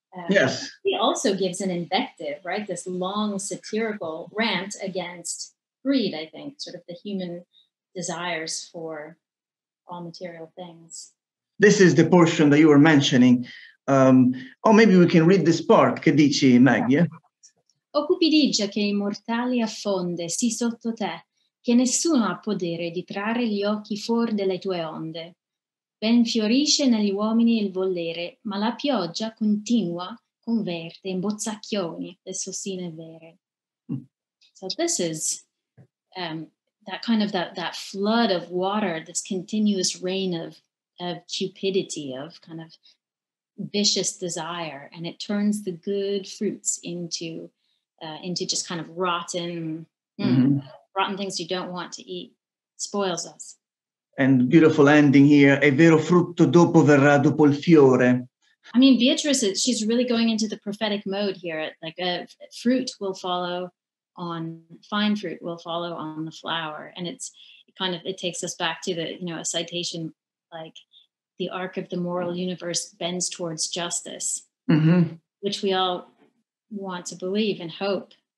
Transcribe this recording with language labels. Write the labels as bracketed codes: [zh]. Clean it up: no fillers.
[en] Yes. He also gives an invective, right? This long satirical rant against greed, I think, sort of the human desires for all material things. This is the portion that you were mentioning. Maybe we can read this part. [it] Che dici, Maggie? O cupidigia che i mortali affonde sì sotto te che nessuno ha potere di trarre gli occhi fuori delle tue onde. Ben fiorisce negli uomini il volere, ma la pioggia continua converte in bozzacchioni le sossine vere. [en] So this is that kind of that flood of water, this continuous rain of cupidity, of kind of vicious desire, and it turns the good fruits into just kind of rotten, rotten things you don't want to eat, spoils us. And beautiful ending here. [it] E vero frutto dopo verrà dopo il fiore. [en] I mean, Beatrice, she's really going into the prophetic mode here. Like a fruit will follow on, fine fruit will follow on the flower. And it takes us back to the, you know, a citation like the arc of the moral universe bends towards justice, which we all want to believe and hope.